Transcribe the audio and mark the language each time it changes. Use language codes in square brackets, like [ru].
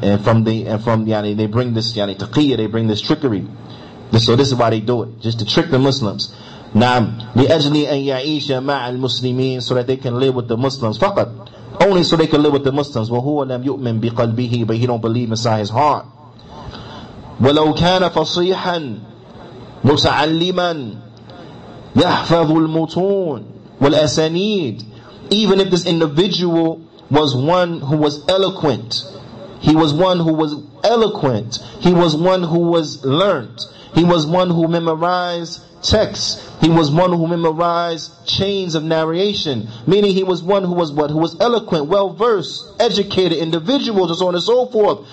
[en] And from يعني, they bring this يعني تقيه, they bring this trickery. So this is why they do it, just to trick the Muslims. نعم. [ar] لأجل أن يعيش مع المسلمين, [en] so that they can live with the Muslims. فقط. Only so they can live with the Muslims. [ar] وهو لم يؤمن بقلبه, [en] but he don't believe inside his heart. [ar] ولو كان فصيحا متعلما يحفظ المتون والأسانيد. [en] Even if this individual was one who was eloquent. He was one who was eloquent. He was one who was learnt. He was one who memorized texts. He was one who memorized chains of narration. Meaning he was one who was what? Who was eloquent, well-versed, educated, individuals, and so on and so forth.